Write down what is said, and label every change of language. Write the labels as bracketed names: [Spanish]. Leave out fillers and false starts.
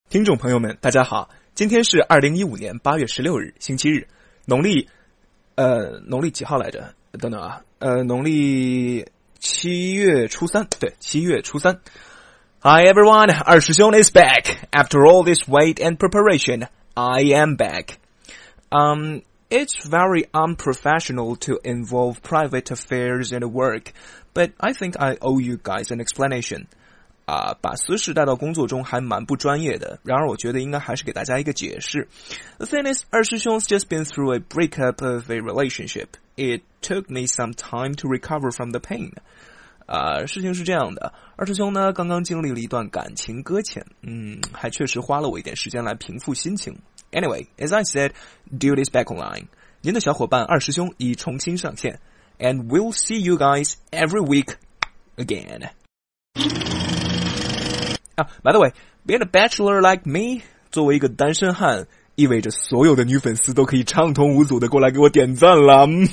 [Chinese] 听众朋友们大家好，今天是2015年8月16日星期日，农历几号来着，等等啊，农历七月初三，对，七月初三。 [English] Hi everyone, 二师兄 is back. After all this wait and preparation, I am back. It's very unprofessional to involve private affairs and work, but I think I owe you guys an explanation. [Chinese] 把私事带到工作中还蛮不专业的，然而我觉得应该还是给大家一个解释。 [English] The thing is, 二师兄's just been through a breakup of a relationship. It took me some time to recover from the pain. [Chinese] 事情是这样的，二师兄呢刚刚经历了一段感情搁浅，还确实花了我一点时间来平复心情。 [English] Anyway, as I said, dude is back online. [Chinese] 您的小伙伴二师兄已重新上线。 [English] And we'll see you guys every week again. By the way, being a bachelor like me, [Chinese] 作为一个单身汉，意味着所有的女粉丝都可以畅通无阻的过来给我点赞了。